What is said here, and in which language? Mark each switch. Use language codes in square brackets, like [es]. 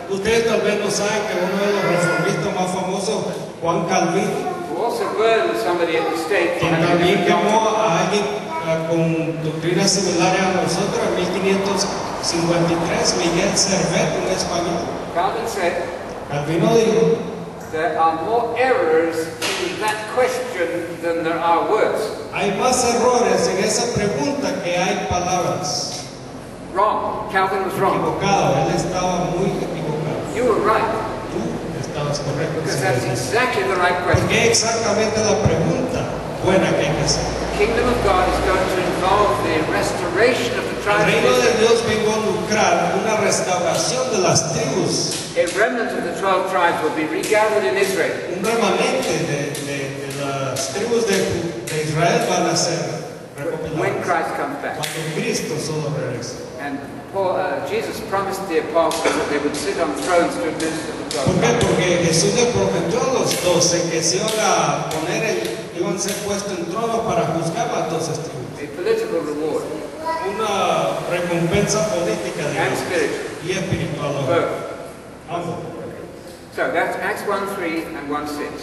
[es] Ustedes tal vez no saben que uno de los reformistas más famosos, Juan Calvin, [en] who also burned somebody at the stake. [es] Que también quemó a alguien con doctrina similar a nosotros en 1553, Miguel Servet, un español. [en] Calvin said, [es] Calvin dijo, [en] there are more errors in that question than there are words. [es] Hay más errores en esa pregunta que hay palabras. [en] Wrong. Calvin was wrong. [es] Equivocado. Él estaba muy equivocado. [en] You were right. [es] Tú estabas correcto. [en] Because that's exactly the right question. [es] ¿Qué exactamente la pregunta buena que hay que hacer? [en] The kingdom of God is going to involve the restoration of the tribes. [es] El reino de Dios va a involucrar una restauración de las tribus. [en] A remnant of the 12 tribes will be regathered in Israel. [es] Un remanente de las tribus de Israel van a ser. [en] When Christ comes back. [es] Cuando Cristo solo regresa. [en] And Paul, Jesus promised the apostles that they would sit on thrones to administer the gospel. [es] ¿Por qué? Porque Jesús le prometió a los 12 que se iban a poner, iban a ser puestos en trono para juzgar a las 12 tribus. [en] A political reward. [es] Una recompensa política de Dios. Y espiritual. Ambos. [en] So that's Acts 1:3 and 1:6.